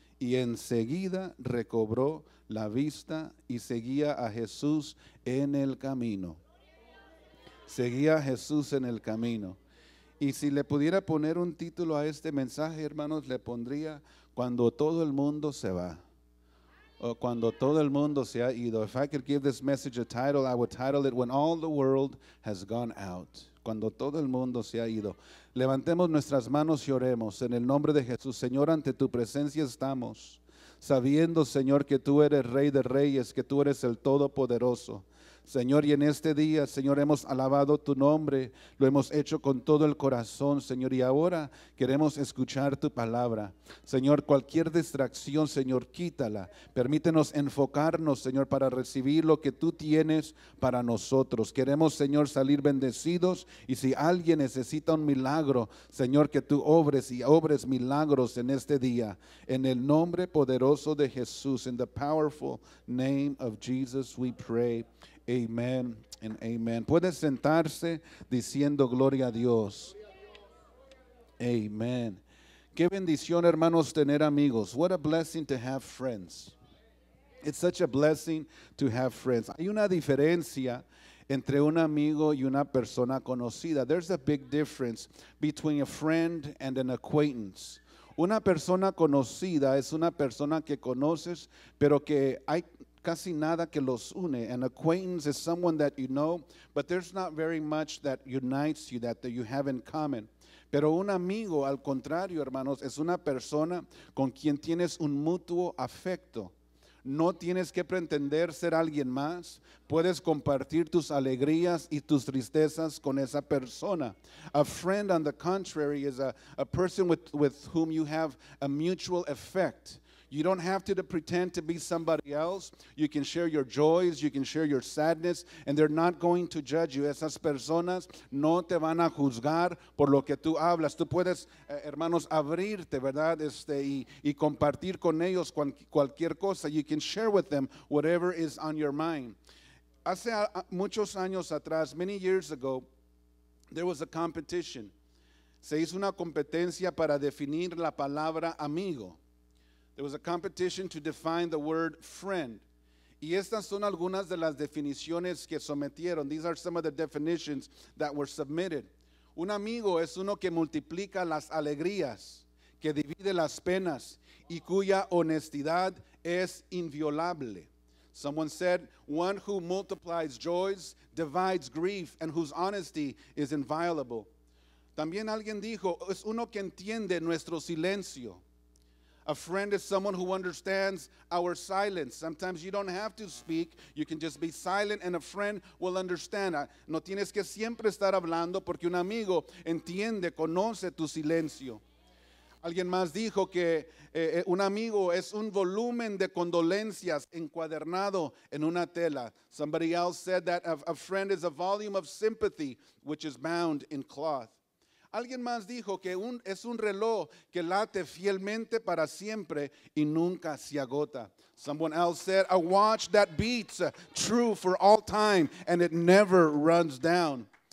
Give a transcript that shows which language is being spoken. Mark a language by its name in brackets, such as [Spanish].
[Spanish] Y enseguida recobró la vista y seguía a Jesús en el camino. Seguía a Jesús en el camino. Y si le pudiera poner un título a este mensaje, hermanos, le pondría, cuando todo el mundo se va. O cuando todo el mundo se ha ido. [English] If I could give this message a title, I would title it, When All the World Has Gone Out. [Spanish] Cuando todo el mundo se ha ido. Levantemos nuestras manos y oremos en el nombre de Jesús. Señor, ante tu presencia estamos, sabiendo, Señor, que tú eres Rey de Reyes, que tú eres el Todopoderoso. Señor, y en este día, Señor, hemos alabado tu nombre, lo hemos hecho con todo el corazón, Señor, y ahora queremos escuchar tu palabra. Señor, cualquier distracción, Señor, quítala. Permítenos enfocarnos, Señor, para recibir lo que tú tienes para nosotros. Queremos, Señor, salir bendecidos, y si alguien necesita un milagro, Señor, que tú obres y obres milagros en este día. En el nombre poderoso de Jesús, [English] in the powerful name of Jesus, we pray. [Spanish] Amén y amén. Puede sentarse diciendo gloria a Dios. Amén. Qué bendición, hermanos, tener amigos. [English] What a blessing to have friends. It's such a blessing to have friends. [Spanish] Hay una diferencia entre un amigo y una persona conocida. [English] There's a big difference between a friend and an acquaintance. [Spanish] Una persona conocida es una persona que conoces, pero que hay casi nada que los une. [English] An acquaintance is someone that you know, but there's not very much that unites you, that you have in common. [Spanish] Pero un amigo, al contrario, hermanos, es una persona con quien tienes un mutuo afecto. No tienes que pretender ser alguien más. Puedes compartir tus alegrías y tus tristezas con esa persona. [English] A friend, on the contrary, is a person with whom you have a mutual effect. You don't have to pretend to be somebody else. You can share your joys, you can share your sadness, and they're not going to judge you. [Spanish] Esas personas no te van a juzgar por lo que tú hablas. Tú puedes, hermanos, abrirte, ¿verdad? Y compartir con ellos cualquier cosa. [English] You can share with them whatever is on your mind. [Spanish] Hace muchos años atrás, [English] many years ago, there was a competition. [Spanish] Se hizo una competencia para definir la palabra amigo. [English] There was a competition to define the word friend. [Spanish] Y estas son algunas de las definiciones que sometieron. [English] These are some of the definitions that were submitted. [Spanish] Un amigo es uno que multiplica las alegrías, que divide las penas, y cuya honestidad es inviolable. [English] Someone said, one who multiplies joys, divides grief, and whose honesty is inviolable. [Spanish] También alguien dijo, es uno que entiende nuestro silencio. [English] A friend is someone who understands our silence. Sometimes you don't have to speak. You can just be silent and a friend will understand. [Spanish] No tienes que siempre estar hablando porque un amigo entiende, conoce tu silencio. Alguien más dijo que un amigo es un volumen de condolencias encuadernado en una tela. [English] Somebody else said that a friend is a volume of sympathy which is bound in cloth. [Spanish] Alguien más dijo que es un reloj que late fielmente para siempre y nunca se agota. [English] Someone else said, a watch that beats true for all time and it never runs down.